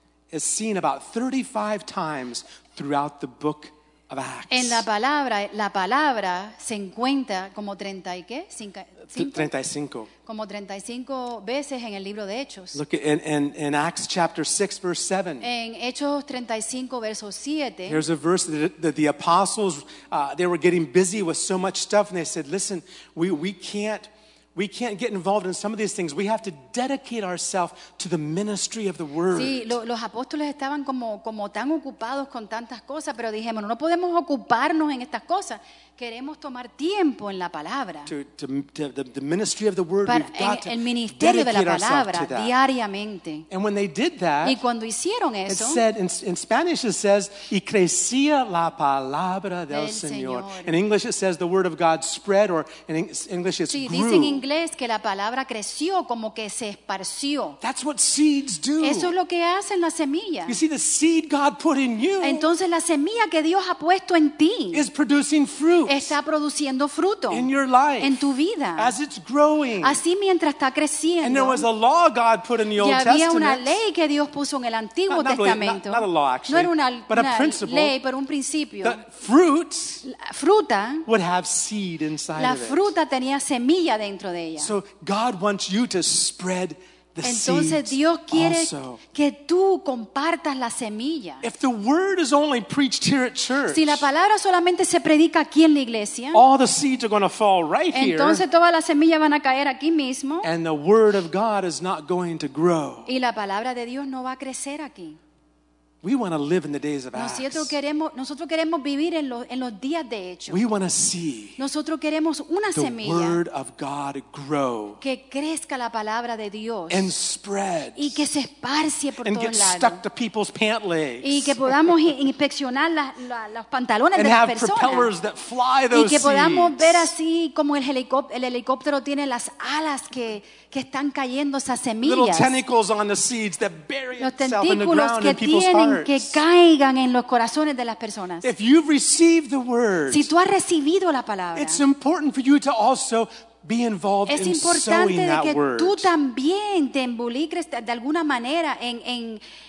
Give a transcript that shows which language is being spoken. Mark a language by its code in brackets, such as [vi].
[en] Is seen about 35 times throughout the book of Acts. [es] En la palabra se encuentra como 30 y qué? 35. Como 35 veces en el libro de Hechos. [en] Look at, in Acts chapter 6 verse 7. [es] En Hechos 35 verso 7. [en] There's a verse that the apostles they were getting busy with so much stuff and they said, "Listen, we can't get involved in some of these things. We have to dedicate ourselves to the ministry of the word." [es] Sí, los apóstoles estaban como tan ocupados con tantas cosas, pero dijimos, no podemos ocuparnos en estas cosas. Queremos tomar tiempo en la palabra. [en] To the ministry of the word, [es] para, [en] we've got [es] el [en] to [es] ministerio [en] dedicate [es] de la palabra [en] ourselves to that. [es] Diariamente. [en] And when they did that, [es] y cuando hicieron eso, [en] it said, in Spanish it says, [es] y crecía la palabra del Señor. [en] In English it says, the word of God spread, or in English it's [es] sí, [en] grew. [es] Dice en inglés que la palabra creció, como que se esparció. [en] That's what seeds do. [es] Eso es lo que hacen las semillas. [en] You see, the seed God put in you, [es] entonces la semilla que Dios ha puesto en ti, [en] is producing fruit. [es] Está produciendo fruto [en] in your life, [es] en tu vida, [en] as it's growing. [es] Así mientras está creciendo. [en] And there was a law God put in the Old Testament. [es] Y había una ley que Dios puso en el Antiguo Testamento. [en] Not a law, actually. [es] No era una ley, pero un principio. La fruta [en] would have seed inside of it. [es] La fruta tenía semilla dentro de ella. [en] So God wants you to spread. [es] Entonces Dios quiere [en] also, [es] que tú compartas la semilla. [en] If the word is only preached here at church, [es] si la palabra solamente se predica aquí en la iglesia, [en] all the seeds are going to fall right [es] entonces [en] here, [es] todas las semillas van a caer aquí mismo. [en] And the word of God is not going to grow. [es] Y la palabra de Dios no va a crecer aquí. [en] We want to live in the days of Acts. [es] Nosotros queremos vivir en los días de Hechos. [en] We want to see. [es] Nosotros queremos una [en] the [es] semilla. [en] The word of God grow. [es] Que crezca la palabra de Dios. [en] And spread. [es] Y que se esparce por todos lados. [en] And get stuck to people's pant legs. [es] Y que podamos inspeccionar los pantalones de las personas. [en] And have propellers that fly those seeds. [es] Y que podamos ver así como el helicóptero tiene las alas que están cayendo esas semillas. [en] Little tentacles on the seeds that bury itself in the ground and people's hearts. [es] Que caigan en los corazones de las personas. [en] If you've received the word, [es] si tú has recibido la palabra, [en] it's important for you to also be involved in sowing that word. [es] Es importante que tú también te involucres de alguna manera en